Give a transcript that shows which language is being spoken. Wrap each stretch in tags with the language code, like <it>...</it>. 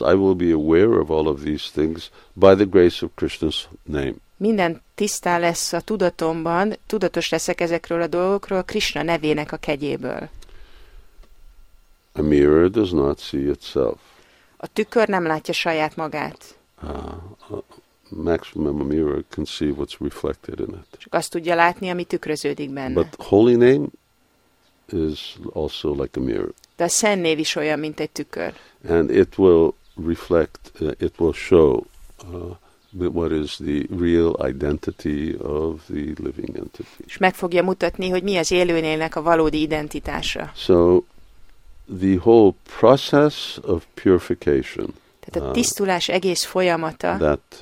<en>I will be aware of all of these things by the grace of Krishna's name.</en> <hu>Minden tisztá lesz a tudatomban, tudatos leszek ezekről a dolgokról, Krishna nevének a kegyéből.</hu> <en>A mirror does not see itself.</en> <hu>A tükör nem látja saját magát.</hu> <en>Maximum a mirror can see what's reflected in it.</en> <hu>Csak azt tudja látni, ami tükröződik benne.</hu> <en>But holy name is also like a mirror.</en> <hu>De a szent név is olyan, mint egy tükör.</hu> <en>And it will reflect, it will show what is the real identity of the living entity.</en> <hu>És meg fogja mutatni, hogy mi az élőnének a valódi identitása.</hu> <en>So the whole process of purification.</en> <hu>Tehát a tisztulás egész folyamata.</hu>